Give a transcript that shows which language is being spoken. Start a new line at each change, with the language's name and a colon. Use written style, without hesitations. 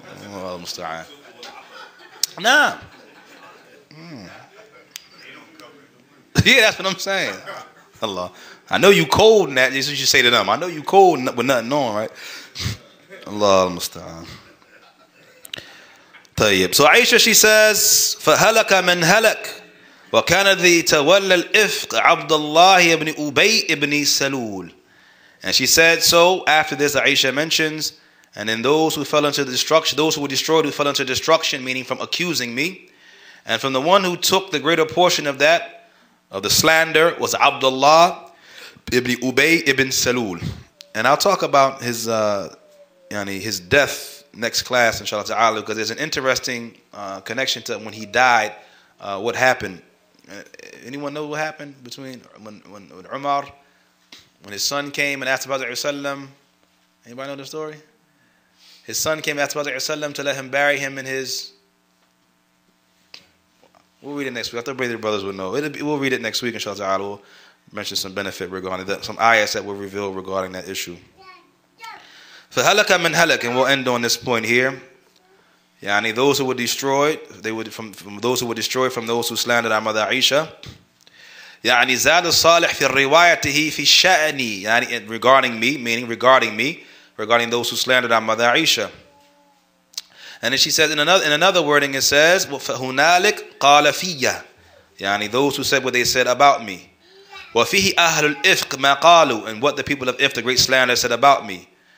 English: Well, Musta'an. Nah. Yeah, that's what I'm saying. Allah. I know you cold in that. This is what you say to them. I know you cold with nothing on, right? Allah Musta'an. So Aisha, she says,
Arabic: فَهَلَكَ مَنْ هَلَكَ وَكَانَ ذِي تَوَلَّ الْإِفْقَ عَبْدَ اللَّهِ ابْنِ أُبَيْ ابْنِ سَلُولِ.
English: And she said, so after this, Aisha mentions, and then those who fell into destruction, those who were destroyed who fell into destruction, meaning from accusing me, and from the one who took the greater portion of that, of the slander, was Abdullah ibn Ubay ibn Salul. And I'll talk about his death next class, inshallah ta'ala, because there's an interesting connection to when he died, what happened. Anyone know what happened between when Umar, when his son came and asked the Prophet ﷺ, anybody know the story? His son came and asked the Prophet ﷺ to let him bury him in his, we'll read it next week. I thought the brothers would know. We'll read it next week, inshallah ta'ala. We'll mention some benefit regarding that, some ayahs that were revealed regarding that issue.
Arabic: فَهَلَكَ مَنْ هَلَكَ.
English: And we'll end on this point here. Those who were destroyed, they were from those who were destroyed from those who slandered our mother Aisha.
Arabic: يعني زاد الصالح في روايته في شأني.
English: Regarding me, meaning regarding me, regarding those who slandered our mother Aisha. And then she says, in another wording it says,
Arabic: فَهُنَالِكْ قَالَ فِيَّ.
English: Those who said what they said about me.
Arabic: وَفِيهِ أَهْلُ الْإِفْقِ مَا قَالُوا.
English: And what the people of If, the great slander, said about me.